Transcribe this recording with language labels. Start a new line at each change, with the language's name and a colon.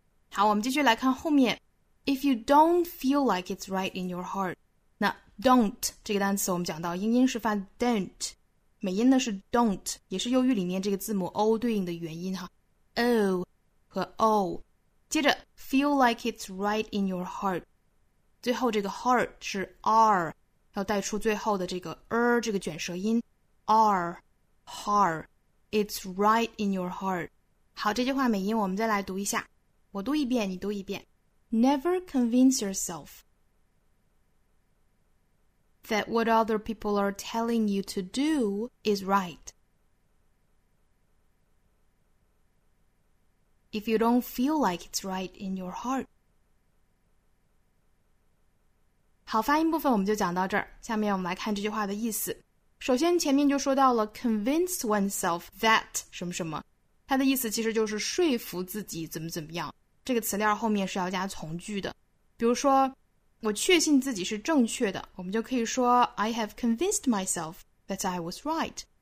Chinese: 好，我们继续来看后面。
English: If you don't feel like it's right in your heart，
Chinese: 那 don't 这个单词我们讲到英音是发 don't， 美音呢是 don't， 也是由于里面这个字母 o 对应的元音哈 ，o 和 o， 接着
English: feel like it's right in your heart，
Chinese: 最后这个 heart 是 r， 要带出最后的这个 这个卷舌音。
English: It's right in your heart.
Chinese: 好，这句话美音我们再来读一下。我读一遍，你读一遍。
English: Never convince yourself that what other people are telling you to do is right. If you don't feel like it's right in your heart.
Chinese: 好，发音部分我们就讲到这儿。下面我们来看这句话的意思。首先前面就说到了
English: convince oneself that
Chinese: 什么什么，它的意思其实就是说服自己怎么怎么样，这个词链后面是要加从句的。比如说我确信自己是正确的，我们就可以说
English: I have convinced myself that I was right。